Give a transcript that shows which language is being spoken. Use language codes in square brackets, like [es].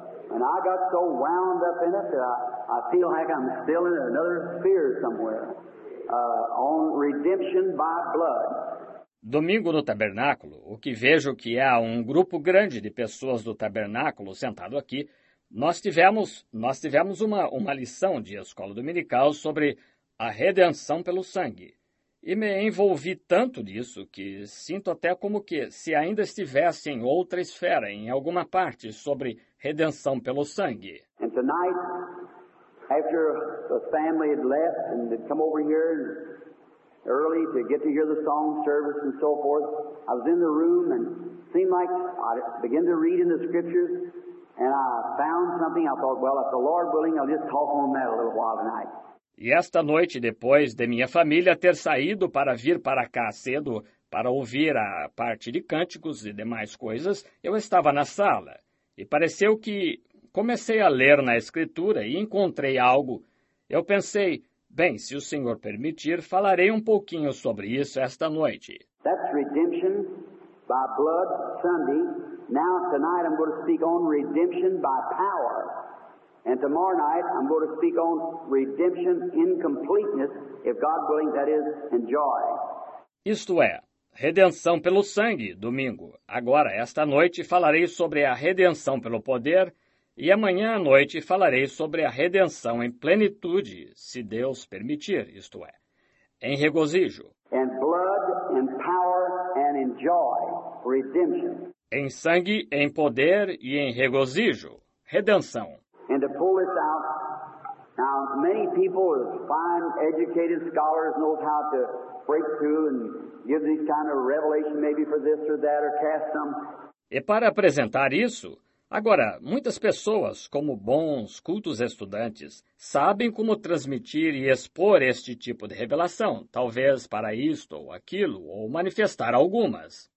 [en] And I got so wound up in it that I feel like I'm still in another sphere somewhere. On redemption by blood. [pt] Domingo no tabernáculo, o que vejo que há um grupo grande de pessoas do tabernáculo sentado aqui, nós tivemos uma lição de escola dominical sobre a redenção pelo sangue. E me envolvi tanto disso que sinto até como que se ainda estivesse em outra esfera, em alguma parte, sobre redenção pelo sangue. [en] And tonight, after the family had left and had come over here early to get to hear the song service and so forth, I was in the room and seemed like I began to read in the scriptures and I found something. I thought, well, if the Lord willing, I'll just talk on that a little while tonight. [pt] E esta noite, depois de minha família ter saído para vir para cá cedo para ouvir a parte de cânticos e demais coisas, eu estava na sala. E pareceu que comecei a ler na Escritura e encontrei algo. Eu pensei, bem, se o Senhor permitir, falarei um pouquinho sobre isso esta noite. [en] That's redemption by blood Sunday. Now tonight I'm going to speak on redemption by power. And tomorrow night, I'm going to speak on redemption in completeness, if God willing, that is, in joy. [pt] Isto é, redenção pelo sangue, domingo. Agora, esta noite, falarei sobre a redenção pelo poder, e amanhã à noite falarei sobre a redenção em plenitude, se Deus permitir, isto é, em regozijo. [en] And blood, and power, and in joy, redemption. [pt] Em sangue, em poder e em regozijo, redenção. [en] And to pull this out, now many people, fine, educated scholars, know how to break through and give these kind of revelation, maybe for this or that, or cast some. [pt] E para apresentar isso, Agora, muitas pessoas, como bons, cultos estudantes, sabem como transmitir e expor este tipo de revelação, talvez para isto ou aquilo, ou manifestar algumas.